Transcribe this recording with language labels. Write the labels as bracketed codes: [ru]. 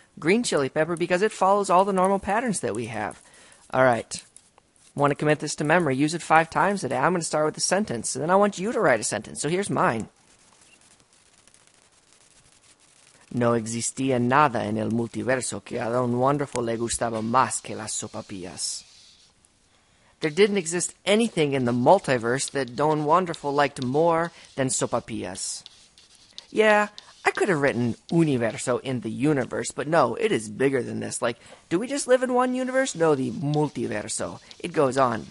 [en] Green chili pepper because it follows all the normal patterns that we have. All right. Want to commit this to memory? Use it 5 times today. I'm going to start with a sentence, and then I want you to write a sentence. So here's mine. [es] No existía nada en el multiverso que a Don Wonderful le gustaba más que las sopapillas. [en] There didn't exist anything in the multiverse that Don Wonderful liked more than sopapillas. Yeah, I could have written universo in the universe, but no, it is bigger than this. Like, do we just live in one universe? No, the multiverso. It goes on.